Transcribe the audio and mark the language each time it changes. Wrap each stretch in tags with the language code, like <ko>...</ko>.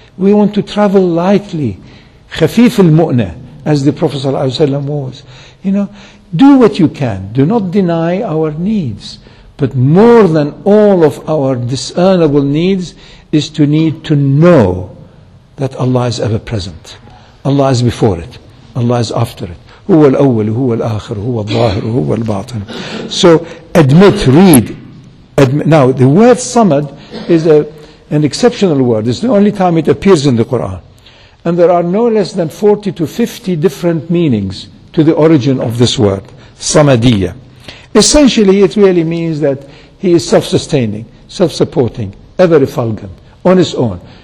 <en>We want to travel lightly.</en> <ar>Khafif al-mu'na,</ar> <en>as the Prophet sallallahu alayhi wa sallam was. You know, do what you can. Do not deny our needs. But more than all of our discernible needs is to need to know that Allah is ever present. Allah is before it. Allah is after it.</en> <ar>هو الأول هو الآخر هو الظاهر هو الباطن.</ar> <en>So admit, read. Now the word samad is an exceptional word. It's the only time it appears in the Quran. And there are no less than 40 to 50 different meanings to the origin of this word, samadiyya. Essentially it really means that he is self-sustaining, self-supporting, ever effulgent, on his own.</en>